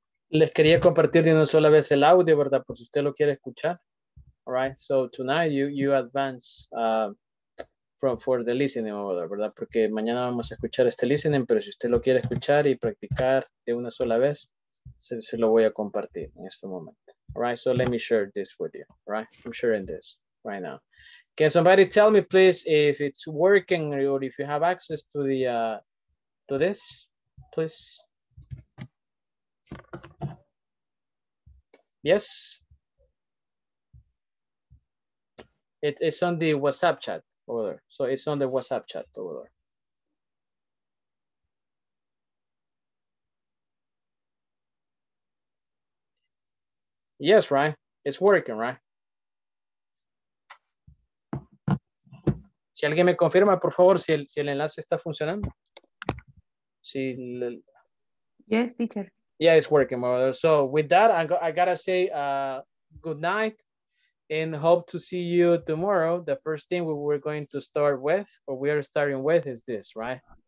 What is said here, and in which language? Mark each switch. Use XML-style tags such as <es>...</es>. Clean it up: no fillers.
<es>Les quería compartir de una sola vez el audio, ¿verdad? Por si usted lo quiere escuchar.</es> <en>All right. So tonight you advance for the listening over there,</en> <es>¿verdad? Porque mañana vamos a escuchar este listening, pero si usted lo quiere escuchar y practicar de una sola vez, se lo voy a compartir en este momento.</es> <en>All right. So let me share this with you. All right. I'm sharing this right now. Can somebody tell me, please, if it's working or if you have access to the to this, please? Yes. It's on the WhatsApp chat over there. So it's on the WhatsApp chat over there. Yes, right? It's working, right?</en> <es>Si alguien me confirma, por favor, si el enlace está funcionando.</es> <en>Yes, teacher. Yeah, it's working, my brother. So with that, I gotta say good night and hope to see you tomorrow. The first thing we're going to start with, or we are starting with, is this, right?</en>